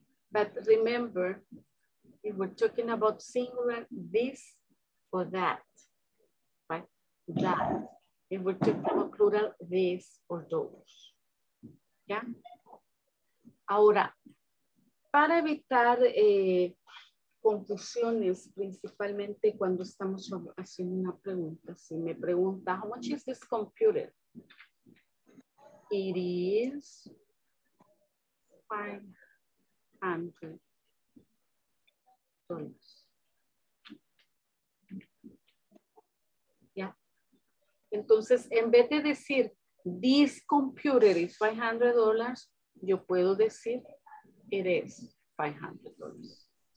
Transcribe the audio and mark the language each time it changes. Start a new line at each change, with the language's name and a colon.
English: But remember, if we're talking about singular, this or that, right? That. If we're talking about plural, this or those. Yeah.
Spanish: Ahora, para evitar confusiones, principalmente cuando estamos haciendo una pregunta. Si me pregunta,
English: how much is this computer? It is 500 dollars. Yeah.
Spanish: Entonces, en vez de decir,
English: this computer is 500 dollars,
Spanish: yo puedo decir,
English: it is 500 dollars.